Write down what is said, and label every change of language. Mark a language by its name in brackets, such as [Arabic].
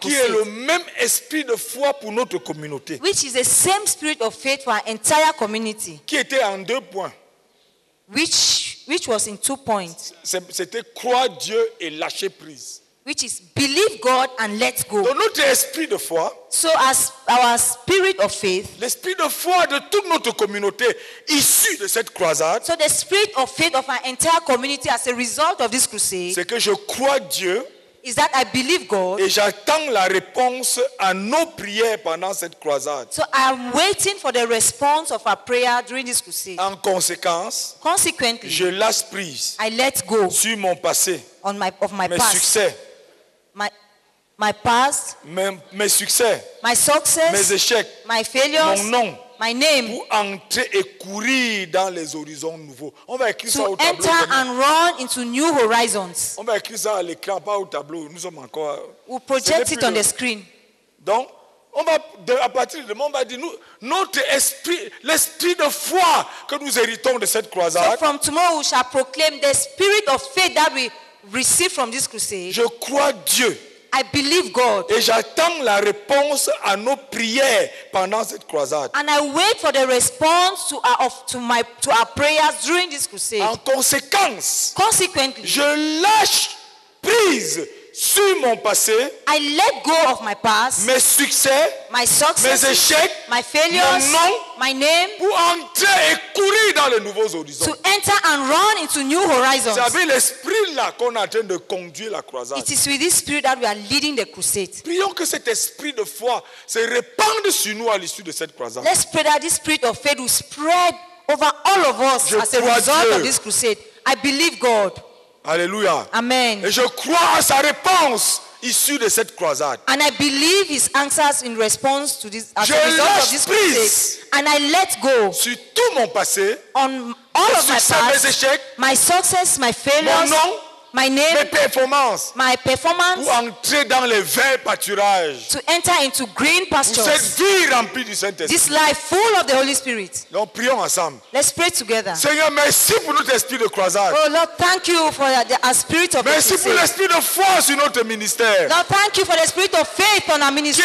[French] Qui est le même esprit de foi pour notre communauté. [English] Which is the same spirit of faith for our entire community. [French] Qui était en deux points. [English] Which was in 2 points. [French] C'était croire Dieu et lâcher prise. [English] Which is believe God and let go. [French] Donc notre esprit de foi. [English] So as our spirit of faith. [French] L'esprit de foi de toute notre communauté issue de cette croisade. [English] So the spirit of faith of our entire community as a result of this crusade. [French] C'est que je crois Dieu. [English] Is that I believe God. [French] Et j'attends la réponse à nos prières pendant cette croisade. [English] So I am waiting for the response of our prayer during this crusade. [French] En conséquence, [English] consequently, [French] je lâche prise. [English] I let go. [French] Sur mon passé. [English] On my of my [French] mes [English] past. [French] Mes succès. [English] My past. [French] Mes succès. [English] My success. [French] Mes échecs. [English] My failures. [French] Mon nom. [English] My name. [French] Pour entrer et courir dans les horizons nouveaux. On va écrire [English] to [French] ça au tableau. [English] To enter and run into new horizons. [French] On va écrire ça à l'écran, pas au tableau. Nous sommes encore. [English] We project it on the screen. [French] Donc, on va à partir de demain, on va dire nous notre esprit, l'esprit de foi que nous héritons de cette croisade. [English] So from tomorrow, we shall proclaim the spirit of faith that we receive from this crusade. [French] Je crois Dieu. [English] I believe God. [French] Et j'attends la réponse à nos prières pendant cette croisade. [English] And I wait for the response to our prayers during this crusade. [French] En conséquence, [English] consequently, [French] je lâche prise sur mon passé. [English] I let go of my past. [French] Mes succès. [English] My success. [French] Mes échecs. [English] My failures. [French] Mon nom. [English] My name. [French] Pour entrer et courir dans les nouveaux horizons. [English] To enter and run into new horizons. [French] C'est avec l'esprit là qu'on est en train de conduire la croisade. [English] It is with this spirit that we are leading the crusade. [French] Prions que cet esprit de foi se répande sur nous à l'issue de cette croisade. [English] Let's pray that this spirit of faith will spread over all of us [French] Je [English] as a result of this crusade. I believe God. Alléluia. Amen. [French] Et je crois à sa réponse issue de cette croisade. [English] And I believe his answers in response to this as [French] je [English] a result of this crusade. And I let go. [French] Sur tout mon passé. [English] On all of [French] succès, [English] my past. [French] Mes échecs. [English] My success, my failures. [French] Mon nom. [English] My name. [French] Mes performances. [English] My performance. [French] Pour entrer dans les verts pâturages. [English] To enter into green pastures. [French] Pour cette vie remplie du Saint-Esprit. [English] This life full of the Holy Spirit. [French] Donc prions ensemble. [English] Let's pray together. [French] Seigneur, merci pour notre esprit de croisade. [English] Oh Lord, thank you for our spirit of [French] Merci pour l'esprit de foi sur notre ministère. [English] Lord, thank you for the spirit of faith on our ministry.